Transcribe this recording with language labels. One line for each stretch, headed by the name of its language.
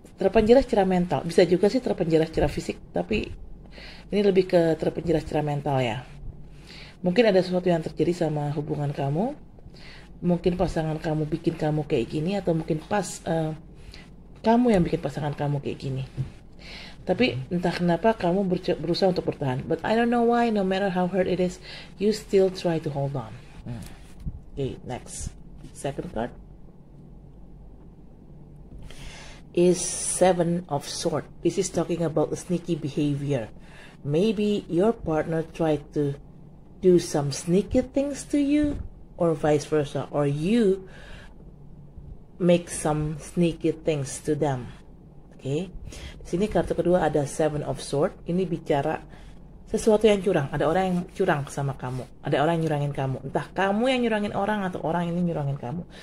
Indonesian: Terpenjara secara mental, bisa juga sih terpenjara secara fisik, tapi ini lebih ke terpenjara secara mental ya. Mungkin ada sesuatu yang terjadi sama hubungan kamu, mungkin pasangan kamu bikin kamu kayak gini, atau mungkin pas kamu yang bikin pasangan kamu kayak gini. Tapi entah kenapa kamu berusaha untuk bertahan.
English: But I don't know why, no matter how hurt it is, you still try to hold on. Okay, next. Second card is Seven of Swords. This is talking about a sneaky behavior. Maybe your partner tried to do some sneaky things to you, or vice versa, or you make some sneaky things to them.
Indonesian: Oke, okay. Di sini kartu kedua ada Seven of Swords. Ini bicara sesuatu yang curang. Ada orang yang curang sama kamu. Ada orang yang nyurangin kamu. Entah kamu yang nyurangin orang atau orang ini nyurangin kamu.